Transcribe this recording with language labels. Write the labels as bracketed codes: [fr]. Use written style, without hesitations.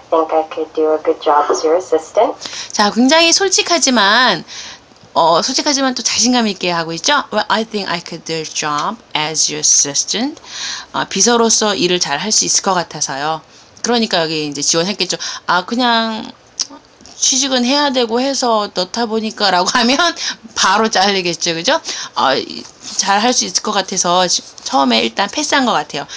[en] Think I could do a good job as your assistant. [ko] 자, 굉장히 솔직하지만, 솔직하지만 또 자신감 있게 하고 있죠? [en] Well, I think I could do a job as your assistant. [ko] 비서로서 일을 잘할수 있을 것 같아서요. 그러니까 여기 이제 지원했겠죠. 아, 그냥 취직은 해야 되고 해서 넣다 보니까 라고 하면 바로 잘리겠죠, 그죠? 잘할 수 있을 것 같아서 처음에 일단 패스한 것 같아요.